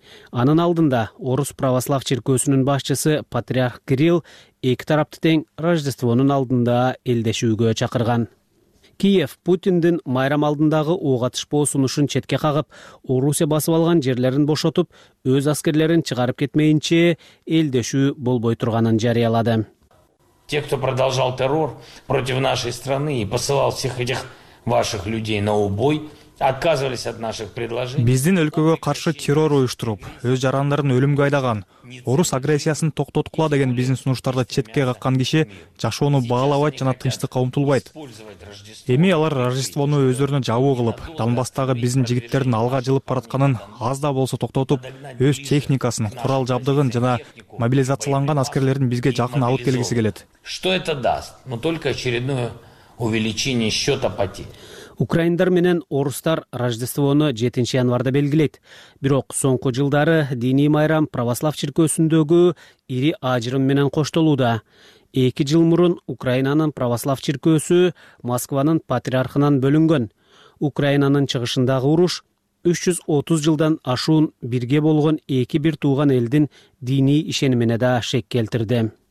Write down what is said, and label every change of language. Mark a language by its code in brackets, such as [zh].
[ky] Анын алдында орус православ чиркөөсүнүн башчысы патриарх Кирилл эки тарапты тең Рождествонун алдында элдешүүгө чакырган. Киев Путиндин майрам алдындагы ок атышпоо сунушун четке кагып, Орусия басып алган жерлерин бошотуп, өз аскерлерин чыгарып кетмейинче элдешүү болбой турганын жарыялады. [ru] Те, кто продолжал террор против нашей страны и посылал всех этих ваших людей на убой, отказывались от наших предложений. [ky] Биздин өлкөгө каршы террор уюштуруп, өз жарандарын өлүмгө айдаган, орус агрессиясын токтоткула деген биздин сунуштарды четке каккан киши жашоону баалабайт жана тынчтыкка умтулбайт. Эми алар Рождествону өздөрүнө жабуу кылып, Донбасстагы биздин жигиттердин алга жылып баратканын аз да болсо токтотуп, өз техникасын, курал жабдыгын жана мобилизацияланган аскерлерин бизге жакын алып келгиси келет. [ru] Что это даст? Но только очередное увеличение счета потерь. [ky] Украиндар менен орустар Рождествону 7 январда белгилейт. Бирок соңку жылдары диний майрам православ чиркөөсүндөгү ири ажырым менен коштолууда. Эки жыл мурун Украинанын православ чиркөөсү Москванын патриархынан бөлүнгөн. Украинанын чыгышындагы уруш 330 жылдан ашуун бирге болгон эки бир тууган элдин диний ишенимине да шек келтирди.